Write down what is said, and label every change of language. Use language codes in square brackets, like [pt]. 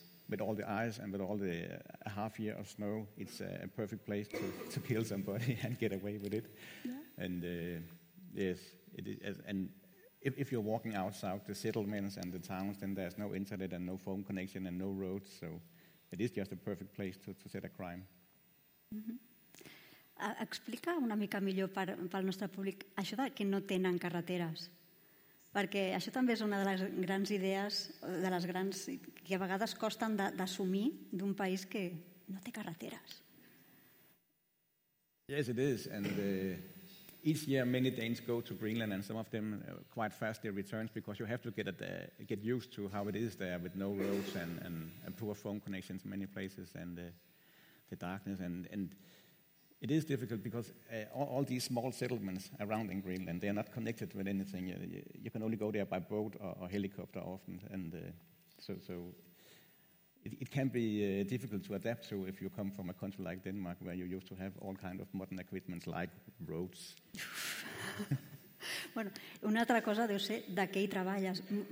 [en] with all the ice and with all the half year of snow, it's a perfect place to kill somebody and get away with it. Yeah. And yes, it is. And if you're walking outside the settlements and the towns, then there's no internet and no phone connection and no roads, so it is just a perfect place to set a crime. Mm-hmm. [ca] Explica una mica millor pel nostre públic això de que no tenen carreteres. Perquè això també és una de les grans idees, de les grans que a vegades costen d'assumir d'un país que no té carreteres. [en] Yes, it is. And each year many Danes go to Greenland and some of them quite fast they return because you have to get used to how it is there with no roads and poor phone connections in many places and the darkness and it is difficult because all these small settlements around in Greenland, they are not connected with anything. You can only go there by boat or helicopter often. And so it can be difficult to adapt to if you come from a country like Denmark where you used to have all kind of modern equipment like roads. [ca] Bueno, una altra cosa deu ser de què hi treballes.